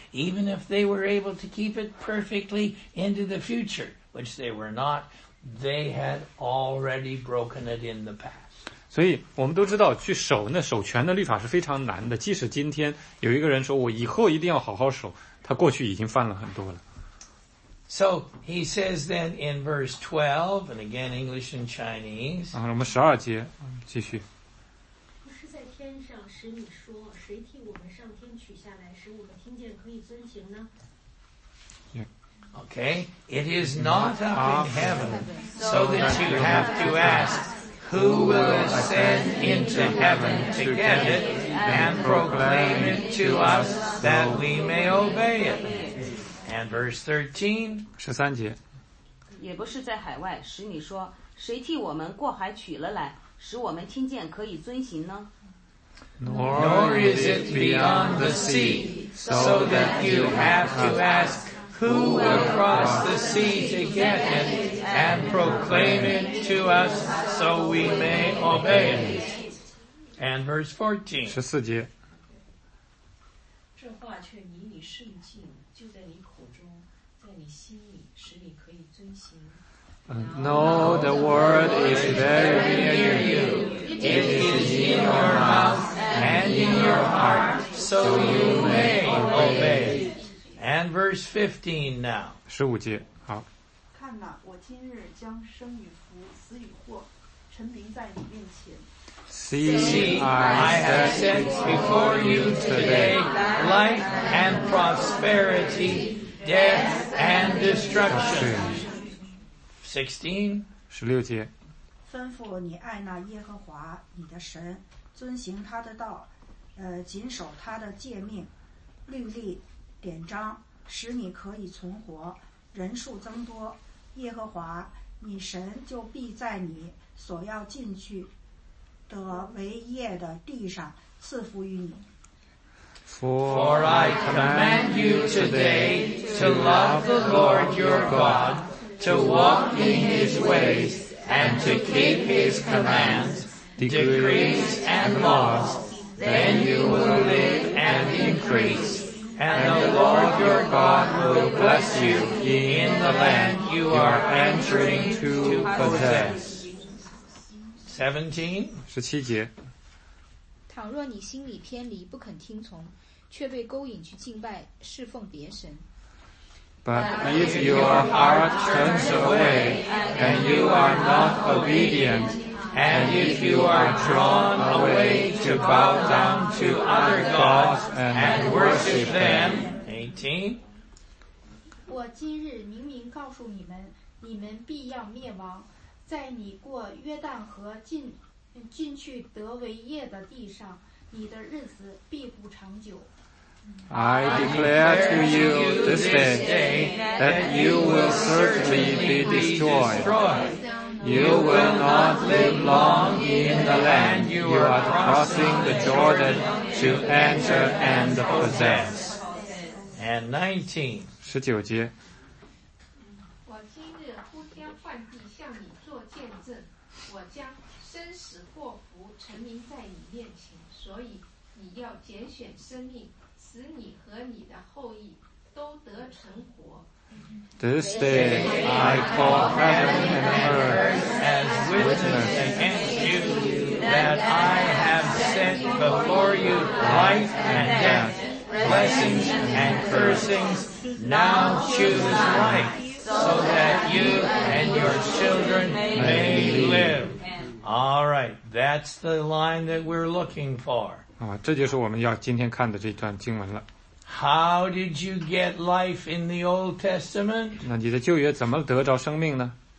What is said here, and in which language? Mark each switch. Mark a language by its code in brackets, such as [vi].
[en] Even if they were able to keep it perfectly into the future, which they were not, they had already broken it in the past. [zh] 所以我们都知道去守那守全的律法是非常难的，即使今天有一个人说我以后一定要好好守，他过去已经犯了很多了。 [en] So he says then in verse 12, and again English and Chinese. [zh] 我们十二节继续。不是在天上使你说，谁替我们上天取下来，使我们听见可以遵行呢？ [en] Okay, it is not up in heaven, so that you have to ask, who will ascend into heaven to get it and proclaim it to us that we may obey it? And verse 13, [zh] 十三节，也不是在海外，使你说，谁替我们过海取了来，使我们听见可以遵行呢？ [en] Nor is it beyond the sea, so that you have to ask, who will cross the sea to get it and proclaim it to us so we may obey it? And verse 14, [zh] 十四节，这话却离你甚近，就在你口中，在你心里，使你可以遵行。 [en] No, the word is very near you. It is in your mouth and in your heart, so you may obey. And verse 15 now. [zh] 十五节，好。看哪，我今日将生与福、死与祸，陈明在你面前。 [en] See, I have set before you today life and prosperity, death and destruction. 16, [zh] 十六节。吩咐你爱那耶和华你的神，遵行他的道，谨守他的诫命、律例、典章，使你可以存活，人数增多，耶和华你神就必在你所要进去的为业的地上赐福于你。 [en] For I command you today to love the Lord your God, to walk in his ways, and to keep his commands, decrees and laws, then you will live and increase. And the Lord your God will bless you in the land you are entering to possess. 17, [zh] 十七节。倘若你心里偏离，不肯听从，却被勾引去敬拜侍奉别神。 [en] But if your heart turns away, and you are not obedient, and if you are drawn away to bow down to other gods and worship them. 18. [zh] 我今日明明告诉你们，你们必要灭亡，在你过约旦河进去得为业的地上，你的日子必不长久。 [en] I declare to you this day that you will certainly be destroyed. You will not live long in the land you are crossing the Jordan to enter and possess. And 19. [zh] 十九节。我今日呼天唤地向你做见证，我将生死祸福沉迷在你面前，所以你要拣选生命，使你和你的后裔都得成活。 [en] This day I call heaven and earth as witness against you that I have set before you life and death, blessings and cursings. Now choose life so that you and your children may live. All right, that's the line that we're looking for. [zh] 啊，这就是我们要今天看的这段经文了。 [en] How did you get life in the Old Testament? [zh] 那你在旧约怎么得着生命呢？